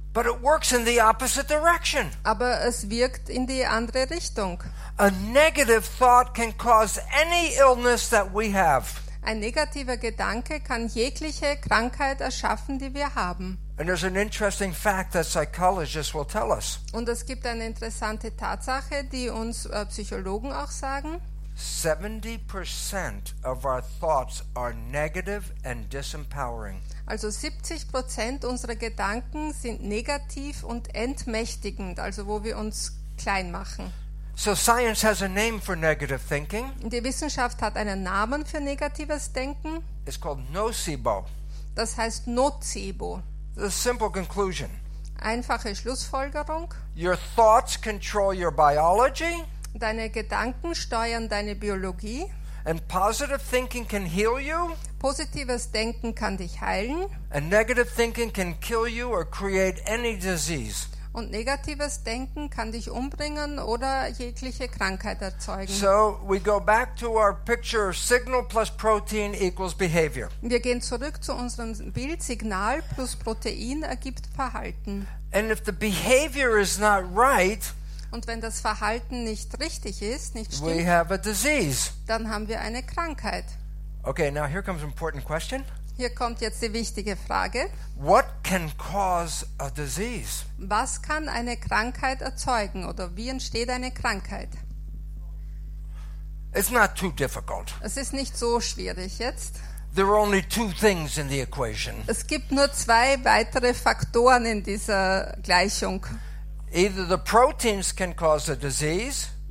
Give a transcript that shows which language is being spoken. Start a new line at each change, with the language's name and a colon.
English: But it works in the opposite direction.
German: Aber es wirkt in die andere Richtung.
English: A negative thought can cause any illness that we have.
German: Ein negativer Gedanke kann jegliche Krankheit erschaffen, die wir haben.
English: And there's an interesting fact that psychologists will tell us.
German: Und es gibt eine interessante Tatsache, die uns Psychologen auch sagen.
English: 70% of our thoughts are negative and disempowering.
German: Also 70% unserer Gedanken sind negativ und entmächtigend, also wo wir uns klein machen.
English: So science has a name for negative thinking.
German: Die Wissenschaft hat einen Namen für negatives Denken.
English: It's called nocebo.
German: Das heißt Nocebo.
English: The simple conclusion.
German: Einfache Schlussfolgerung.
English: Your thoughts control your biology.
German: Deine Gedanken steuern deine Biologie.
English: And positive thinking can heal you.
German: Positives Denken kann dich heilen.
English: And negative thinking can kill you or create any disease.
German: Und negatives Denken kann dich umbringen oder jegliche Krankheit erzeugen.
English: So we go back to our picture, signal plus protein equals behavior.
German: Wir gehen zurück zu unserem Bild, Signal plus Protein ergibt Verhalten.
English: And if the behavior is not right,
German: und wenn das Verhalten nicht richtig ist, nicht stimmt,
English: we have a disease.
German: Dann haben wir eine Krankheit.
English: Okay, now here comes an important question.
German: Hier kommt jetzt die wichtige Frage.
English: What can cause a disease?
German: Was kann eine Krankheit erzeugen oder wie entsteht eine Krankheit?
English: It's not too difficult.
German: Es ist nicht so schwierig jetzt.
English: There are only two things in the equation.
German: Es gibt nur zwei weitere Faktoren in dieser Gleichung.
English: Either the proteins can cause a disease.